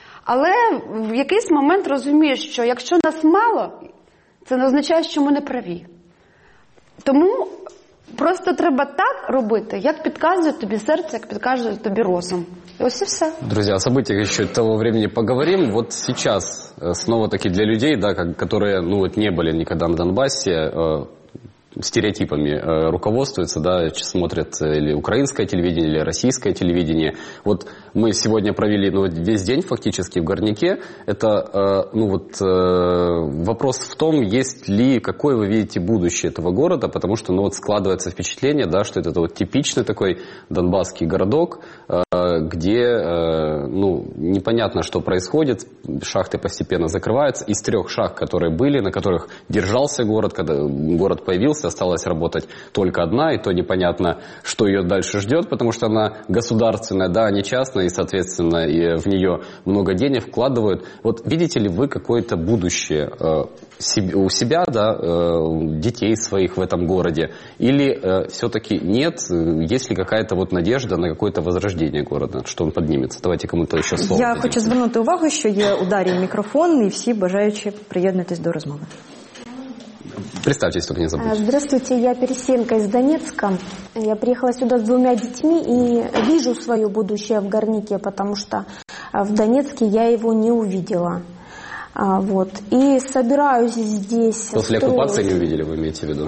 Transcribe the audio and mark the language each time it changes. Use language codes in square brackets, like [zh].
[uk] Але в якийсь момент розумієш, що якщо нас мало, це не означає, що ми не праві. Тому просто треба так робити, як підказує тобі серце, як підказує тобі розум. І ось і все. [ru] Друзі, о событиях ще того времени поговорим. [uk] От зараз, знову-таки, [ru] для людей, да, которые, ну, [uk] от не були ніколи на Донбасі, [ru] стереотипами руководствуются, да, смотрят или украинское телевидение, или российское телевидение. Вот мы сегодня провели, ну, весь день фактически в Горняке. Это, ну, вот, вопрос в том, есть ли, какое вы видите будущее этого города, потому что, ну, вот складывается впечатление, да, что это вот типичный такой донбасский городок, где, ну, непонятно, что происходит, шахты постепенно закрываются. Из трех шахт, которые были, на которых держался город, когда город появился, осталось работать только одна, и то непонятно, что ее дальше ждет, потому что она государственная, да, а не частная, и, соответственно, и в нее много денег вкладывают. Вот видите ли вы какое-то будущее у себя, да, детей своих в этом городе, или все-таки нет, есть ли какая-то вот надежда на какое-то возрождение города, что он поднимется? Давайте кому-то еще слово. [uk] Я хочу звернути увагу, що є у Дарі мікрофон, і всі бажаючі приєднатись до розмови. [ru] Представьтесь, только не забудьте. Здравствуйте, я переселенка из Донецка. Я приехала сюда с двумя детьми и вижу свое будущее в Горняке, потому что в Донецке я его не увидела. Вот. И собираюсь здесь... После оккупации не увидели, вы имеете в виду?